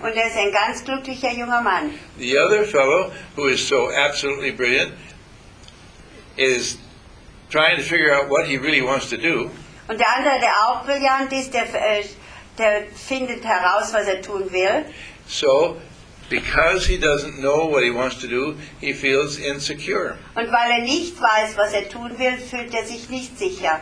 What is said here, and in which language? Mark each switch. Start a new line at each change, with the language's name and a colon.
German: Und er ist ein ganz glücklicher junger Mann.
English: The other fellow, who is so absolutely brilliant, is trying to figure out what he really wants to do.
German: Und der andere, der auch brillant ist, der findet heraus, was er tun will.
English: So, because he doesn't know what he wants to do, he feels insecure.
German: Und weil er nicht weiß, was er tun will, fühlt er sich nicht sicher.